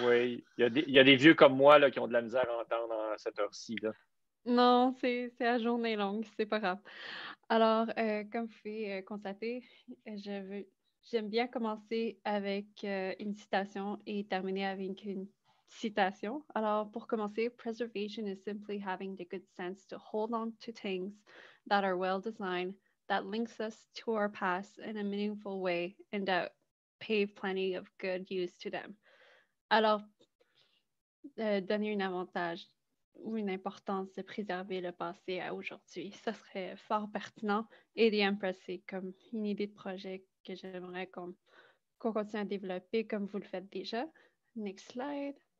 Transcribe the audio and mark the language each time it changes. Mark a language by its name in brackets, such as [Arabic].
[French] Oui, il y a des vieux comme moi là, qui ont de la misère à entendre à cette heure-ci. Là. Non, c'est à journée longue, c'est pas grave. Alors, comme vous pouvez constater, j'aime bien commencer avec une citation et terminer avec une citation. Alors, pour commencer, [English] preservation is simply having the good sense to hold on to things that are well designed, that links us to our past in a meaningful way, and that pave plenty of good use to them. [French] Alors, donner un avantage. Ou une importance de préserver le passé à aujourd'hui. Ça serait fort pertinent. Et The Empress, c'est comme une idée de projet que j'aimerais qu'on continue à développer comme vous le faites déjà. [English] Next slide.